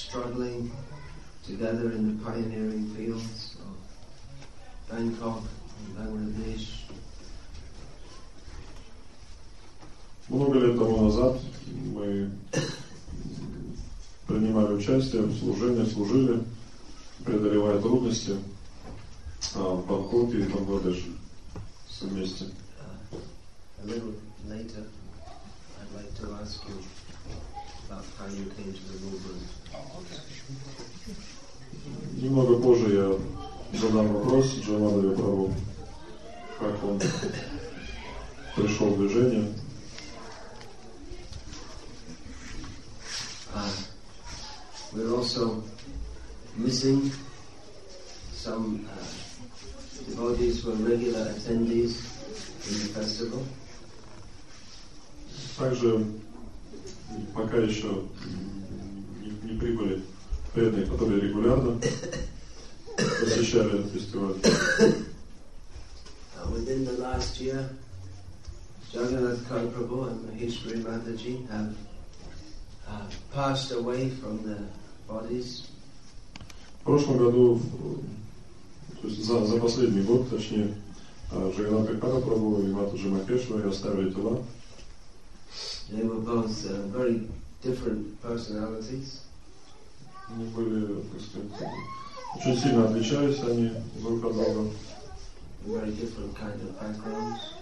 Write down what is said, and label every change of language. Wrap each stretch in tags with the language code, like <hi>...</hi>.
<en>Together in the pioneering fields of Bangkok and Bangladesh.</en> <ru>Много лет тому назад мы принимали участие в служении, служили, преодолевая трудности в Бангкоке и Бангладеш вместе.</ru> <en>A little later, I'd like to ask you about how you came to the movement.</en> <ru>Немного позже я задам вопрос Джай Мадхава Прабху, как он пришел в движение.</ru> <en>We're also missing some devotees who are regular attendees in the festival.</en> <ru>Также пока еще не прибыли преданные, которые регулярно посещали этот фестиваль.</ru> <en>Within the last year, Jagannath Kar Prabhu and Maheshwari Mataji have passed away from the bodies.</en> <ru>В прошлом году, то есть за последний год, точнее, Джаганнатх Кар Прабху и Матаджи Махешвари оставили тела.</ru> <en>They were both very different personalities.</en> <ru>Они были, так сказать, очень сильно отличались они друг от друга.</ru> <en>Very different kind of backgrounds.</en>